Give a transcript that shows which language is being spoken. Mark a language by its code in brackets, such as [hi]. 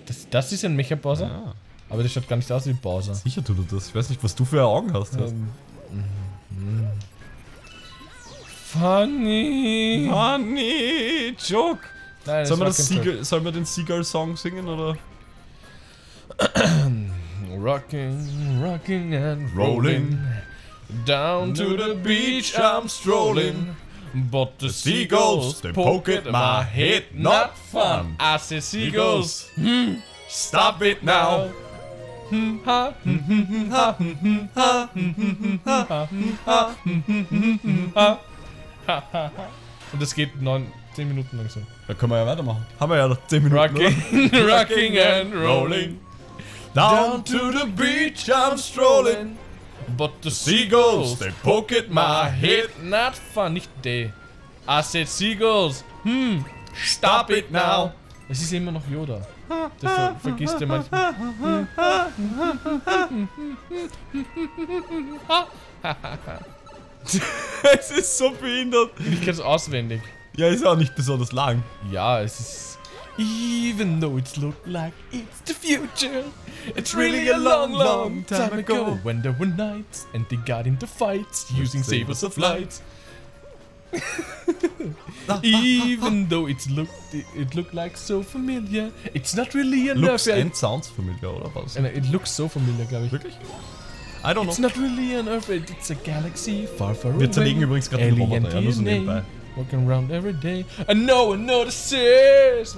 [de] Das ist ein Mecha-Bowser? Ja. Aber das schaut gar nicht aus wie ein Bowser. Sicher tut er das. Ich weiß nicht, was du für Augen hast. [en] Funny. Funny. Joke. [de] Nein, sollen wir den Seagull-Song singen, oder? [en] Rocking and rolling, down to the beach I'm strolling, but the seagulls, they poke at my head, not fun. I say seagulls, stop it now. [de] Und es geht 10 Minuten lang so. Da können wir ja weitermachen. Haben wir ja noch 10 Minuten. [en] Rocking and rolling. Down to the beach I'm strolling, but the seagulls, they poke at my head. Not fun, [de] nicht [en] day. I said seagulls, stop it now. [de] Es ist immer noch Yoda. Das vergisst ihr manchmal. Es ist so behindert. Ich kenn's auswendig. Ja, ist auch nicht besonders lang. Ja, es ist... [en] Even though it looked like it's the future, it's really a long, long time ago. When there were knights and they got into fights using sabers of light. Even though it looked like so familiar, it's not really a looks nerf. And sounds familiar, [de] oder was? [en] And it looks so familiar, [de] glaube ich. Wirklich? [en] I don't know. It's not really an Earth, it's a galaxy far, far away. [de] Wir zerlegen übrigens gerade den Roboter, DNA, ja, nur so nebenbei. [en] Walking around every day, and no one notices.